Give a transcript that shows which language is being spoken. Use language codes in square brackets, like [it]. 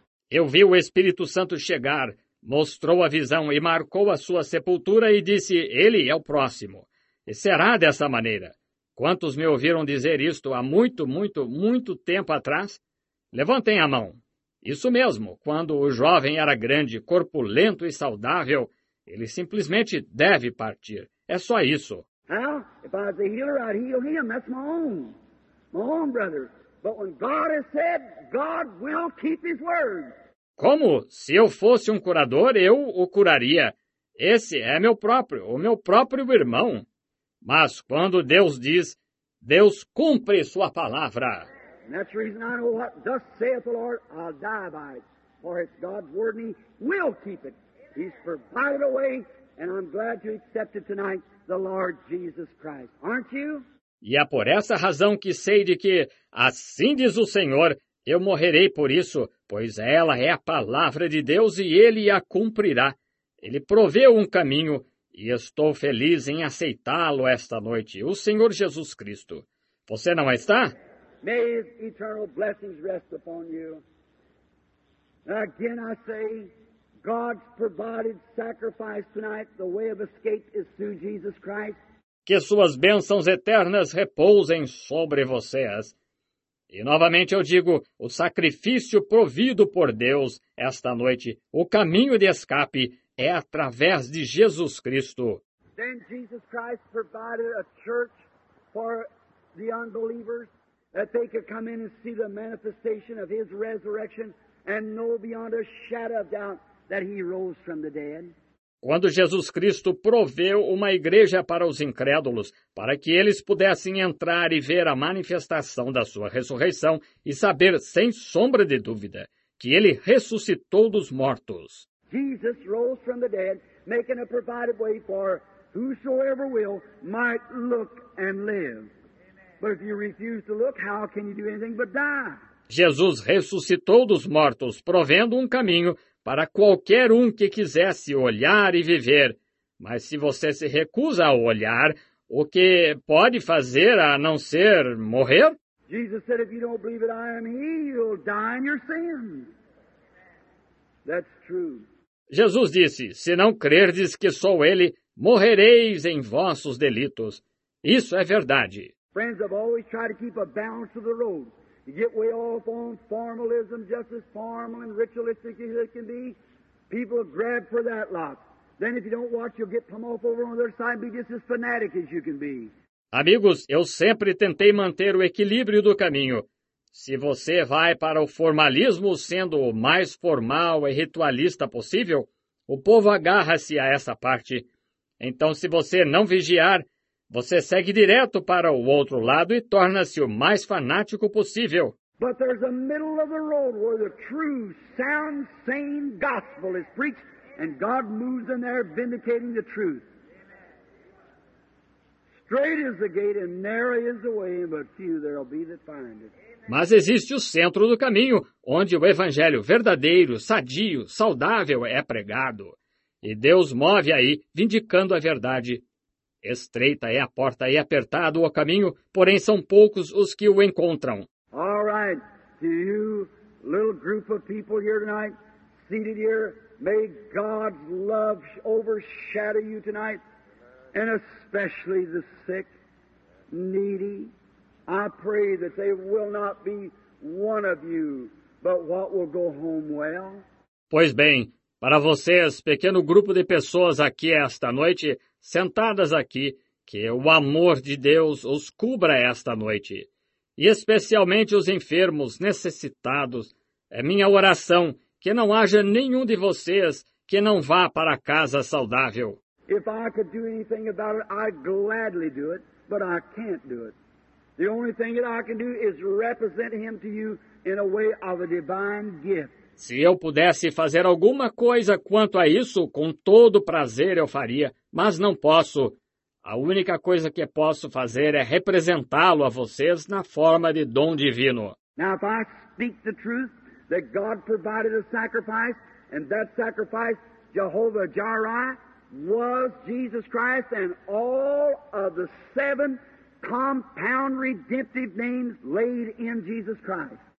[pt] Eu vi o Espírito Santo chegar, mostrou a visão e marcou a sua sepultura e disse, ele é o próximo. E será dessa maneira. Quantos me ouviram dizer isto há muito, muito, muito tempo atrás? Levantem a mão. Isso mesmo, quando o jovem era grande, corpulento e saudável, ele simplesmente deve partir. É só isso. [en] How? If I was a healer, I'd heal him. That's my own brother. But when God has said, God will keep his word. [pt] Como? Se eu fosse um curador, eu o curaria. Esse é o meu próprio irmão. Mas quando Deus diz, Deus cumpre sua palavra. [en] And that's the reason I know what thus saith the Lord, I'll die by it. For it's God's word and he will keep it. He's provided a way, and I'm glad to accept it tonight, the Lord Jesus Christ. Aren't you? [pt] E é por essa razão que sei de que, assim diz o Senhor, eu morrerei por isso, pois ela é a palavra de Deus e ele a cumprirá. Ele proveu um caminho e estou feliz em aceitá-lo esta noite, o Senhor Jesus Cristo. Você não está? [en] May his eternal blessings rest upon you. Again I say, God's provided sacrifice tonight, the way of escape is through Jesus Christ. [pt] Que suas bênçãos eternas repousem sobre vocês. E novamente eu digo, o sacrifício provido por Deus esta noite, o caminho de escape é através de Jesus Cristo. [en] Then Jesus Christ provided a church for the unbelievers, that they could come in and see the manifestation of his resurrection and know beyond a shadow of doubt that he rose from the dead. [pt] Quando Jesus Cristo proveu uma igreja para os incrédulos, para que eles pudessem entrar e ver a manifestação da sua ressurreição e saber, sem sombra de dúvida, que ele ressuscitou dos mortos. [en] Jesus rose from the dead, making a provided way for whosoever will might look and live. But if you refuse to look, how can you do anything but die? [pt] Jesus ressuscitou dos mortos, provendo um caminho para qualquer um que quisesse olhar e viver. Mas se você se recusa a olhar, o que pode fazer a não ser morrer? Jesus disse, se você não acredita que eu sou Ele, você morrerá em seus pecados. Isso é verdade. Jesus disse, se não crerdes que sou Ele, morrereis em vossos delitos. Isso é verdade. [en] Friends, I've always tried to keep a balance of the road. You get way off on formalism, just as formal and ritualistic as it can be. People grab for that lot. Then if you don't watch, you'll get plumb off over on the other side and be just as fanatic as you can be. [pt] Amigos, eu sempre tentei manter o equilíbrio do caminho. Se você vai para o formalismo sendo o mais formal e ritualista possível, o povo agarra-se a essa parte. Então, se você não vigiar, você segue direto para o outro lado e torna-se o mais fanático possível. [en] But there's a middle of the road where the true, sound, sane gospel is preached and God moves in there vindicating the truth. Straight is the gate and narrow is the way, but few there'll be that find it. [pt] Mas existe o centro do caminho, onde o evangelho verdadeiro, sadio, saudável é pregado. E Deus move aí, vindicando a verdade. Estreita é a porta e apertado o caminho, porém são poucos os que o encontram. [en] All right, to you, little group of people here tonight, seated here, may God's love overshadow you tonight, and especially the sick, needy. I pray that they will not be one of you, but what will go home well. [pt] Pois bem, para vocês, pequeno grupo de pessoas aqui esta noite, sentadas aqui, que o amor de Deus os cubra esta noite. E especialmente os enfermos, necessitados, é minha oração que não haja nenhum de vocês que não vá para casa saudável. [en] If I could do anything about it, I'd gladly do it, but I can't do it. The only thing that I can do is represent him to you in a way of a divine gift. [pt] Se eu pudesse fazer alguma coisa quanto a isso, com todo prazer eu faria, mas não posso. A única coisa que posso fazer é representá-lo a vocês na forma de dom divino. [en] Now, if I speak the truth that God provided a sacrifice, and that sacrifice, Jehovah Jireh, was Jesus Christ and all of the seven compound redemptive names laid in Jesus Christ.